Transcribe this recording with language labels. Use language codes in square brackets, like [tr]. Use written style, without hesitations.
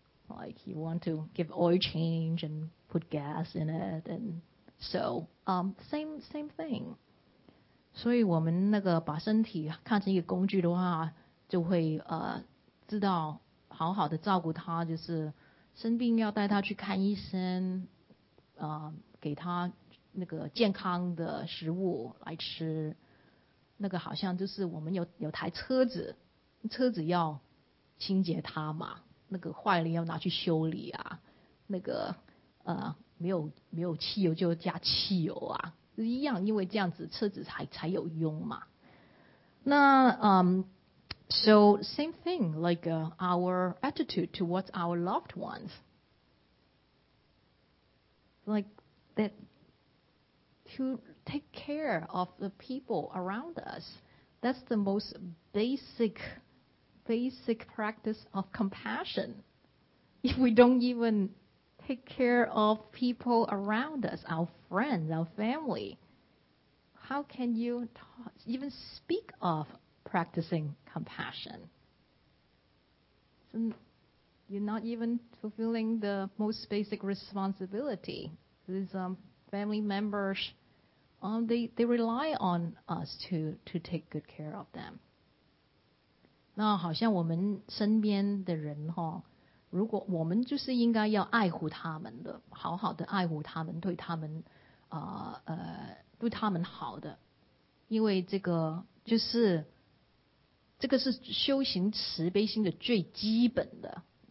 [en] Like you want to give oil change and put gas in it, and so same thing. [zh] 所以我们那个把身体看成一个工具的话，就会知道好好的照顾他，就是生病要带他去看医生，给他那个健康的食物来吃。那个好像就是我们有台车子，车子要清洁它嘛。那个坏了要拿去修理啊，那个没有汽油就加汽油啊，一样，因为这样子车子才有用嘛。 [en] 那so same thing, like our attitude towards our loved ones, like that to take care of the people around us. That's the most basic practice of compassion. If we don't even take care of people around us, our friends, our family, how can you even speak of practicing compassion? So you're not even fulfilling the most basic responsibility. These family members, they rely on us to take good care of them. [zh] 那好像我们身边的人哈，如果我们就是应该要爱护他们的，好好的爱护他们，对他们，对他们好的，因为这个就是，这个是修行慈悲心的最基本的。